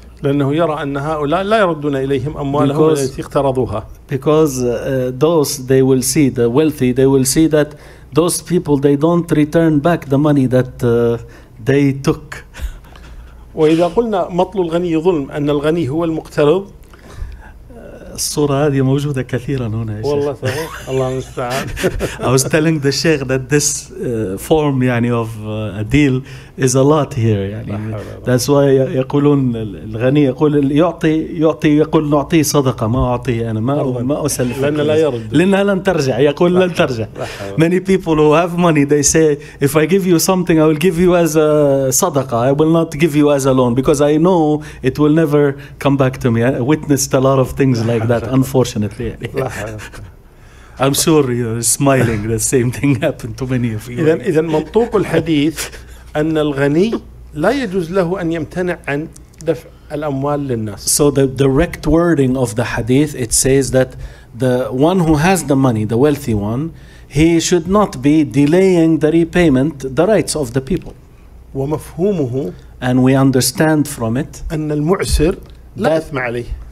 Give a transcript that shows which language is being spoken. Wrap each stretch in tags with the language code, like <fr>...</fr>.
<ar>لأنه يرى أن هؤلاء لا يردون إليهم أموالهم التي اقترضوها.</ar> <en>Because they will see the wealthy, they will see that those people they don't return back the money that they took.</en> <ar>وإذا قلنا مطل الغني ظلم أن الغني هو المقترض. الصورة هذه موجودة كثيرا هنا يا والله صحيح الله المستعان</ar> <en>I was telling the sheikh that this form يعني of a deal is a lot here يعني that's why</en> <ar>يقولون الغني يقول يعطي يقول نعطيه صدقة ما أعطيه أنا ما أسلف لأن لا يرد لأنها لن ترجع يقول لن ترجع</ar> <en>many people who have money they say if I give you something I will give you as a صدقة I will not give you as a loan because I know it will never come back to me I witnessed a lot of things like that unfortunately I'm sure you're smiling. The same thing happened to many of you.</en> <ar>إذا منطوق الحديث أن الغني لا يجوز له أن يمتنع عن دفع الأموال للناس.</ar> <en>So the direct wording of the hadith, it says that the one who has the money, the wealthy one, he should not be delaying the repayment, the rights of the people.</en> <ar>ومفهومه.</ar> <en>And we understand from it</en> <ar>أن المعسر لا إثم عليه.</ar>